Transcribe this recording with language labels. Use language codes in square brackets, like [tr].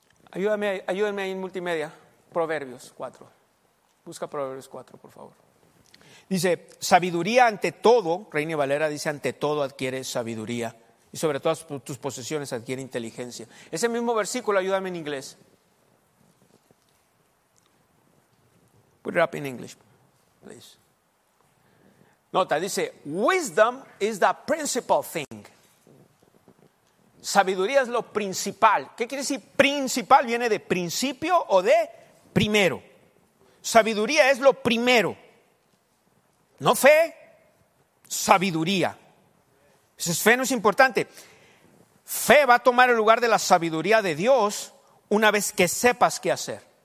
[es] Ayúdame ahí en multimedia. Proverbios 4. Busca Proverbios 4, por favor. Dice, sabiduría ante todo, Reina y Valera dice, ante todo adquiere sabiduría. Y sobre todas tus posesiones adquiere inteligencia. Ese mismo versículo, ayúdame en inglés. [en] Put it up in English, please. [es] Nota, dice, [en] wisdom is the principal thing. [es] Sabiduría es lo principal. ¿Qué quiere decir principal? ¿Viene de principio o de primero? Sabiduría es lo primero. No fe, sabiduría. Entonces, fe no es importante. Fe va a tomar el lugar de la sabiduría de Dios una vez que sepas qué hacer.